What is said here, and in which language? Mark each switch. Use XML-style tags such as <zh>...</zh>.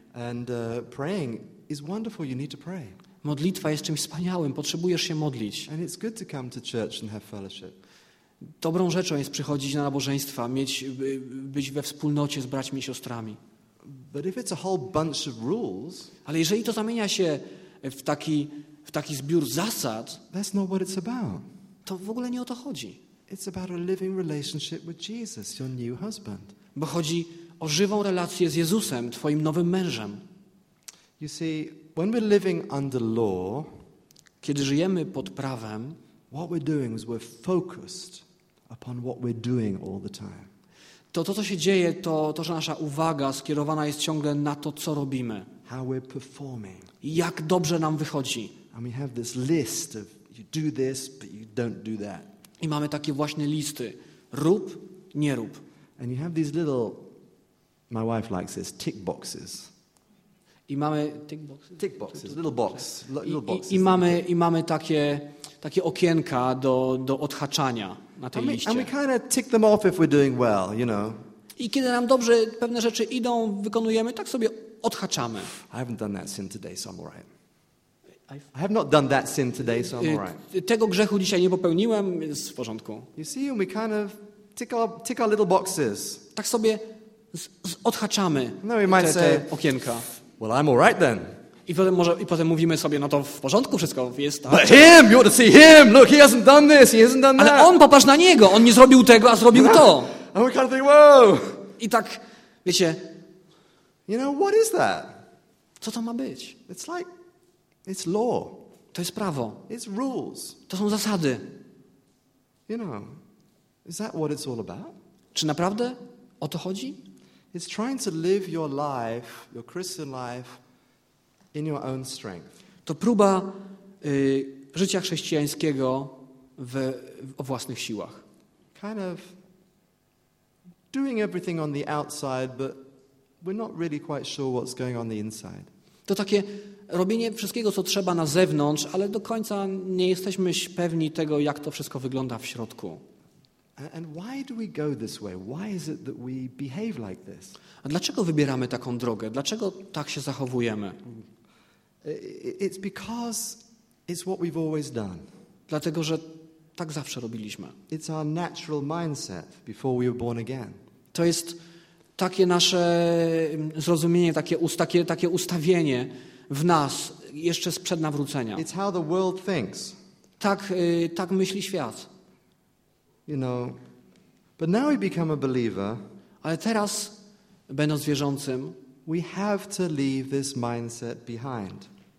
<en>And praying is wonderful, you need to pray.</en> <pl>Modlitwa jest czymś wspaniałym, potrzebujesz się modlić.</pl> <en>And it's good to come to church and have fellowship.</en> <pl>Dobrą rzeczą jest przychodzić na nabożeństwa, być we wspólnocie z braćmi i siostrami.</pl> <en>But if it's a whole bunch of rules,</en> <pl>ale jeżeli to zamienia się w taki zbiór zasad,</pl> <en>that's not what it's about.</en> <pl>To w ogóle nie o to chodzi.</pl> <en>It's about a living relationship with Jesus, your new husband.</en> <pl>Bo chodzi o żywą relację z Jezusem, twoim nowym mężem.</pl> <en>You see, when we're living under law,</en> <pl>kiedy żyjemy pod prawem,</pl> <en>what we're doing is we're focused upon what we're doing all the time.</en> <pl>To co się dzieje, to że nasza uwaga skierowana jest ciągle na to, co robimy.</pl> <en>How we're performing.</en> <pl>Jak dobrze nam wychodzi.</pl> <en>And we have this list of you do this, but you don't do that.</en> <pl>I mamy takie właśnie listy. Rób, nie rób.</pl> <en>And you have these little, my wife likes this, tick boxes.</en> <pl>I mamy</pl> <en>tick boxes. Tick boxes, little box. Little boxes.</en> <pl>I mamy takie okienka do odhaczania na tej liście.</pl> <en>And we kind of tick them off if we're doing well, you know.</en> <pl>I kiedy nam dobrze pewne rzeczy idą, wykonujemy, tak sobie odhaczamy.</pl> <en>I haven't done that sin today, so I'm all right. I have not done that sin today, so I'm all right.</en> <pl>Tego grzechu dzisiaj nie popełniłem, jest w porządku.</pl> <en>You see, and we kind of tick our little boxes.</en> <pl>Tak sobie odhaczamy.</pl> <en>No, we might say,</en> <pl>okienka.</pl> <en>Well, I'm all right then.</en> <pl>I potem mówimy sobie, no to w porządku wszystko jest.</pl> <en>But him, you ought to see him. Look, he hasn't done this, he hasn't done that.</en> <pl>Ale on, popatrz na niego, on nie zrobił tego, a zrobił to.</pl> <en>And we kind of think, whoa.</en> <pl>I tak, wiecie.</pl> <en>You know, what is that?</en> <pl>Co to ma być?</pl> <en>It's like, it's law.</en> <pl>To jest prawo.</pl> <en>It's rules.</en> <pl>To są zasady.</pl> <en>You know, is that what it's all about?</en> <pl>Czy naprawdę o to chodzi?</pl> <en>It's trying to live your life, your Christian life, in your own strength.</en> <pl>To próba życia chrześcijańskiego o własnych siłach.</pl> <en>Kind of doing everything on the outside, but we're not really quite sure what's going on the inside.</en> <pl>To takie robienie wszystkiego, co trzeba na zewnątrz, ale do końca nie jesteśmy pewni tego, jak to wszystko wygląda w środku.</pl> <en>And why do we go this way? Why is it that we behave like this?</en> <pl>A dlaczego wybieramy taką drogę? Dlaczego tak się zachowujemy?</pl> <en>It's because it's what we've always done.</en> <pl>Dlatego, że tak zawsze robiliśmy.</pl> <en>It's our natural mindset before we were born again.</en> <pl>To jest takie nasze zrozumienie, takie ustawienie w nas jeszcze sprzed nawrócenia.</pl> <en>It's how the world thinks.</en> <pl>Tak myśli świat.</pl> <en>You know, but now we become a believer.</en> <pl>Ale teraz, będąc wierzącym,</pl> <en>we have to leave this mindset behind.</en>